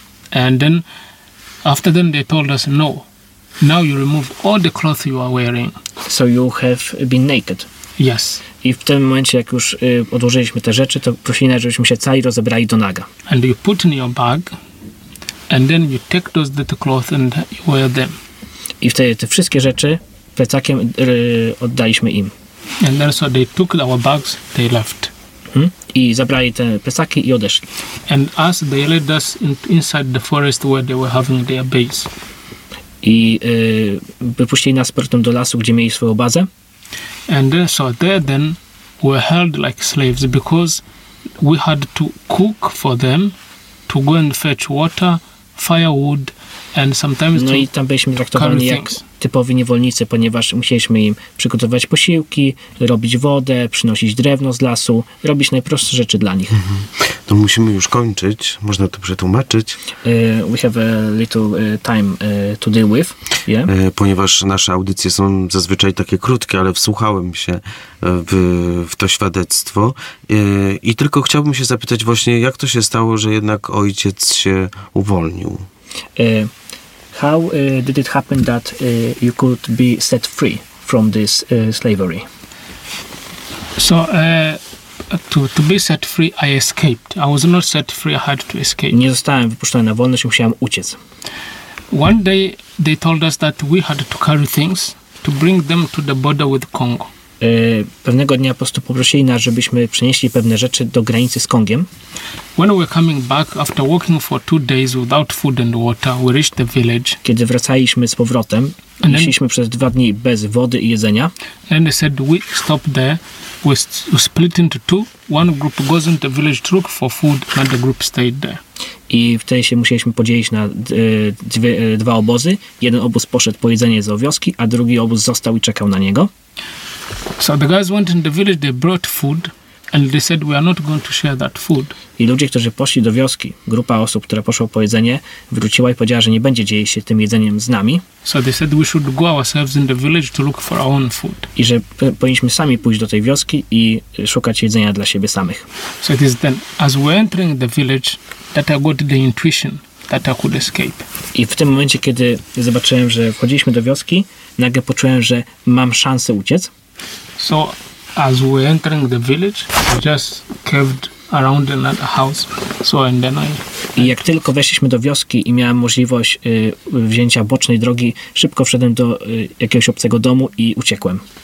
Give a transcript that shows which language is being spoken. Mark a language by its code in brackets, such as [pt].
[en] And then after them they told us no. Now you remove all the cloth you are wearing. So you have been naked. Yes. [pl] I w tym momencie, jak już odłożyliśmy te rzeczy, to prosili nas, żebyśmy się cali rozebrali do naga. [en] And you put in your bag and then you take those little cloth and you wear them. [pl] I wtedy te wszystkie rzeczy plecakiem oddaliśmy im. [en] And then so they took our bags, they left. [pl] I zabrali te plecaki i odeszli. [en] And us, they led us inside the forest where they were having their base. [pl] I wypuścili nas portem do lasu, gdzie mieli swoją bazę. [en] And then, so there then were held like slaves because we had to cook for them, to go and fetch water, firewood, And sometimes [pl] no i tam byliśmy traktowani jak typowi niewolnicy, ponieważ musieliśmy im przygotować posiłki, robić wodę, przynosić drewno z lasu, robić najprostsze rzeczy dla nich. Mm-hmm. To musimy już kończyć, można to przetłumaczyć. [en] We have a little time to deal with. Yeah. [pl] Ponieważ nasze audycje są zazwyczaj takie krótkie, ale wsłuchałem się w to świadectwo i tylko chciałbym się zapytać właśnie, jak to się stało, że jednak ojciec się uwolnił? [en] How did it happen that you could be set free from this slavery? So to be set free, I escaped. I was not set free. I had to escape. [pl] Nie zostałem wypuszczony na wolność. Musiałem uciec. [en] One day they told us that we had to carry things to bring them to the border with Congo. [pl] Pewnego dnia po prostu poprosili nas, żebyśmy przenieśli pewne rzeczy do granicy z Kongiem. [en] When we were coming back after walking for 2 days without food and water, we reached the village. [pl] Kiedy wracaliśmy z powrotem, szliśmy przez 2 dni bez wody i jedzenia. [en] And they said we stop there, we split into two. One group goes into the village to look for food, another group stayed there. [pl] I wtedy się musieliśmy podzielić na dwa obozy. Jeden obóz poszedł po jedzenie z wioski, a drugi obóz został i czekał na niego. [en] So the guys went in the village, they brought food. And they said we are not going to share that food. [pl] I ludzie, którzy poszli do wioski, grupa osób, która poszła po jedzenie, wróciła i powiedziała, że nie będzie dzielić się tym jedzeniem z nami. [en] So they said we should go ourselves in the village to look for our own food. [pl] I że powinniśmy sami pójść do tej wioski i szukać jedzenia dla siebie samych. [en] So it is then as we were entering the village that I got the intuition that I could escape. [pl] I w tym momencie, kiedy zobaczyłem, że wchodziliśmy do wioski, nagle poczułem, że mam szansę uciec. [en] So as we were entering the village, we just curved around another house. So and then [pl] I jak tylko weszliśmy do wioski i miałem możliwość wzięcia bocznej drogi, szybko wszedłem do jakiegoś obcego domu i uciekłem.